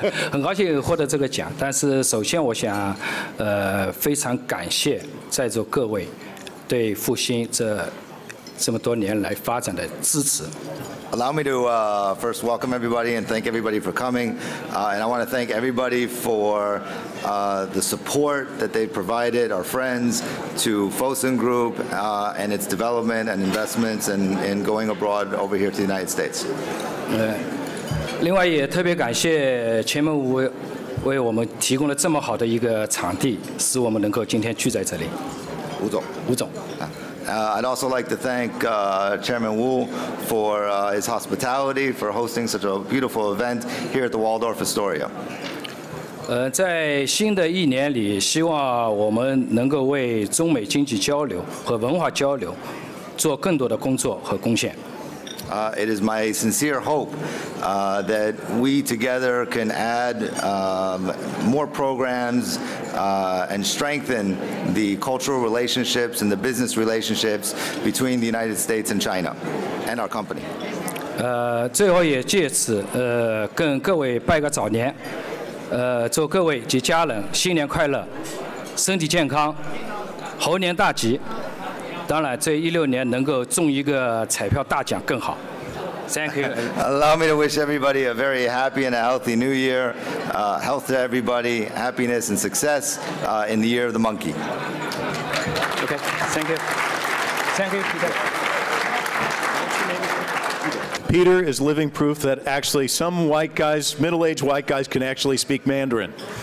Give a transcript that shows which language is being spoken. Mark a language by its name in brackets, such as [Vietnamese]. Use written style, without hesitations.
[Chinese] 很高兴获得这个奖，但是首先我想非常感谢在座各位对复兴这么多年来发展的支持。 [English] Allow me to first welcome everybody and thank everybody for coming. And I want to thank everybody for the support that they provided our friends to Fosun Group and its development and investments and in going abroad over here to the United States. [Chinese] 另外也特别感谢前面五为我们提供了这么好的一个场地，使我们能够今天聚在这里。吴总。吴总。 [English] I'd also like to thank Chairman Wu for his hospitality, for hosting such a beautiful event here at the Waldorf Astoria. [Chinese] 在新的一年里，希望我们能够为中美经济交流和文化交流做更多的工作和贡献。 [English] It is my sincere hope that we together can add more programs and strengthen the cultural relationships and the business relationships between the United States and China and our company. [Chinese] 最后也借此跟各位拜个早年，祝各位及家人新年快乐，身体健康，猴年大吉。当然，这16年能够中一个彩票大奖更好。 [English] Thank you. Allow me to wish everybody a very happy and a healthy new year. Health to everybody, happiness and success in the year of the monkey. Okay, thank you. Thank you, Peter. Peter is living proof that actually some white guys, middle-aged white guys, can actually speak Mandarin.